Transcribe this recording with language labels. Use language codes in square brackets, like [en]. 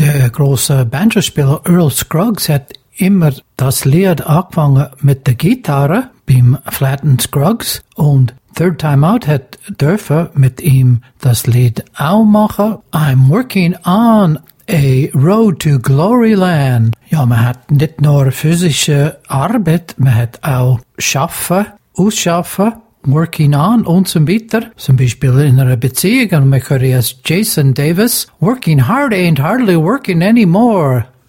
[de] Der große Banjo-Spieler Earl Scruggs hat immer das Lied angefangen mit der Gitarre beim Flatten Scruggs, und Third Time Out hat dürfen mit ihm das Lied auch machen. [en] I'm working on a road to glory land. [de] Ja, man hat nicht nur physische Arbeit, man hat auch schaffen, ausschaffen, [en] working on [de] und so weiter. Zum Beispiel in einer Beziehung, und man hört jetzt Jason Davis, [en] working hard ain't hardly working anymore.